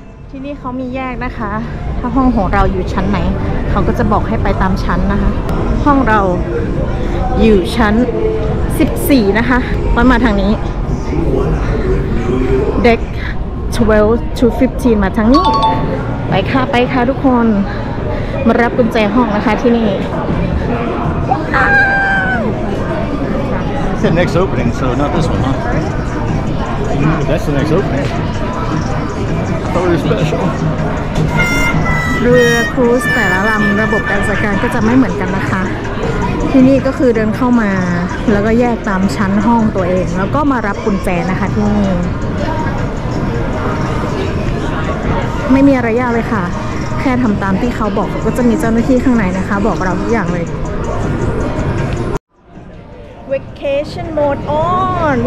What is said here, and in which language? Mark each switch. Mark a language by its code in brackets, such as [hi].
[th] ที่นี่เขามีแยกนะคะถ้าห้องของเราอยู่ชั้นไหนเขาก็จะบอกให้ไปตามชั้นนะคะห้องเราอยู่ชั้น14นะคะมันมาทางนี้เด็ก12 to 15มาทางนี้ไปค่ะไปค่ะทุกคนมารับกุญแจห้องนะคะที่นี่ [en] The next opening so not this one huh That's the next opening I thought it was special [th] เรือครูซแต่ละลำระบบการจัดการก็จะไม่เหมือนกันนะคะที่นี่ก็คือเดินเข้ามาแล้วก็แยกตามชั้นห้องตัวเองแล้วก็มารับกุญแจนะคะที่นี่ไม่มีอะไรยากเลยค่ะแค่ทำตามที่เขาบอกก็จะมีเจ้าหน้าที่ข้างในนะคะบอกเราทุกอย่างเลย [en] Vacation mode on